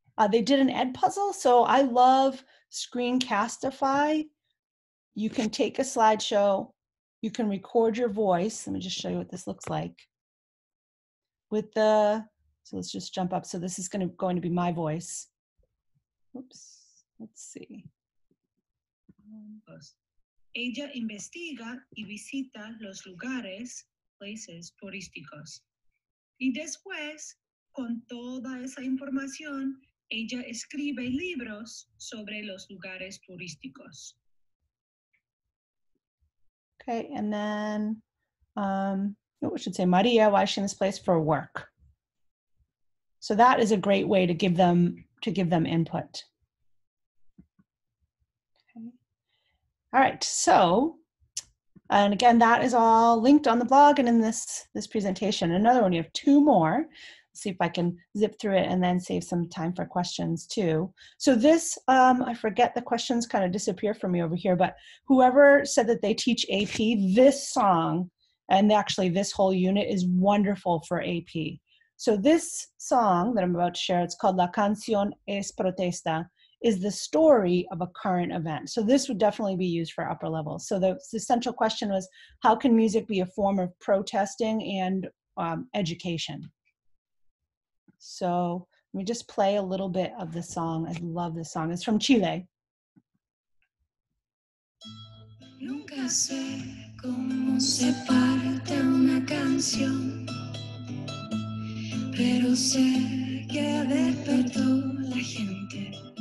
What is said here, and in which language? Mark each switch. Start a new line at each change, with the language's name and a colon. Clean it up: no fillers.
English: They did an ed puzzle. So I love Screencastify. You can take a slideshow, you can record your voice. Let me just show you what this looks like with the, so let's just jump up. So this is going to be my voice. Oops, let's see.
Spanish: Ella investiga y visita los lugares, places turísticos. Y después, con toda esa información, ella escribe libros sobre los lugares turísticos.
English: Okay, and then, I should say Maria, why is she in this place? For work. So that is a great way to give them input. All right, so, and again, that is all linked on the blog and in this presentation. Another one, you have two more. Let's see if I can zip through it and then save some time for questions too. So this, I forget, the questions kind of disappear from me over here, but whoever said that they teach AP, this song, and actually this whole unit is wonderful for AP. So this song that I'm about to share, it's called La Canción Es Protesta, is the story of a current event. So this would definitely be used for upper levels. So the central question was, how can music be a form of protesting and education? So let me just play a little bit of the song. I love this song. It's from Chile.
Spanish: Nunca sé cómo se parte una canción, pero sé que despertó la gente.